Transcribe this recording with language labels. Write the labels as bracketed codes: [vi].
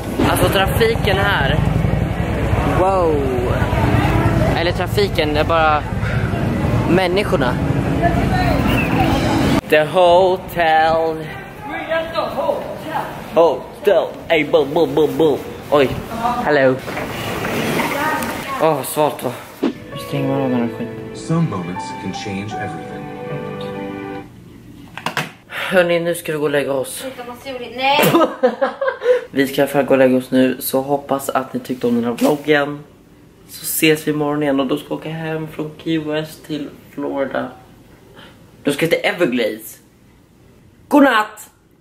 [sv] Alltså trafiken här. Wow. Eller trafiken, det är bara människorna. [en] The hotel. We got the hotel. Hotel. Hey, boom, boom, boom, boom. Oj. Hello. Åh, oh, svart va. [sv] Stäng bara den här skiten. [en] Some moments can change everything. [sv] Hörrni, nu ska vi gå och lägga oss. Nej. Vi ska i alla fall gå och lägga oss nu, så hoppas att ni tyckte om den här vloggen. Så ses vi imorgon igen och då ska jag åka hem från Key West till Florida. Då ska jag till Everglades. Godnatt!